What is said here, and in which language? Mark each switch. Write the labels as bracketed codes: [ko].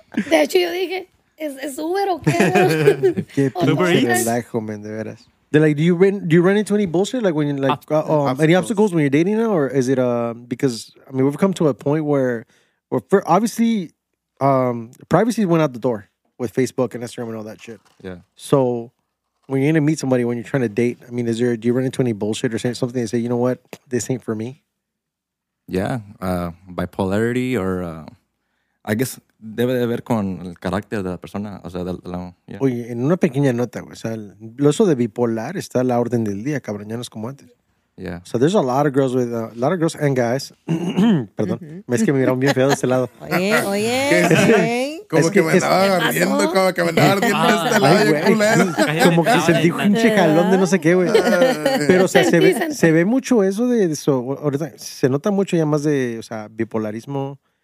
[es] De hecho, yo dije, ¿es Uber o qué? Qué pinche relajo, men, de veras. [en] They're like, do you run into any bullshit like when you, like any obstacles when you're dating now, or is it because I mean we've come to a point where for, obviously privacy went out the door with Facebook and Instagram and all that shit. Yeah. So when you're gonna meet somebody, when you're trying to date, I mean, do you run into any bullshit or something and say, you know what, this ain't for me? [es] Yeah, [en] bipolarity or I guess [es] debe de ver con el carácter de la persona, o sea, yeah. Oye, en una pequeña nota, güey, o sea, lo eso de bipolar está a la orden del día, cabrón, ya no es como antes. [en] Yeah. So there's a lot of girls with a lot of girls and guys. [es] Perdón, es que me miraron bien feo de ese lado. Oye. Como es que me andaba ardiendo, como que me andaba ardiendo de este lado, güey. Como que sentí un chejalón de no sé qué, güey. Pero, o sea, se ve mucho eso de eso. Ahorita se nota mucho ya más de, o sea, bipolarismo.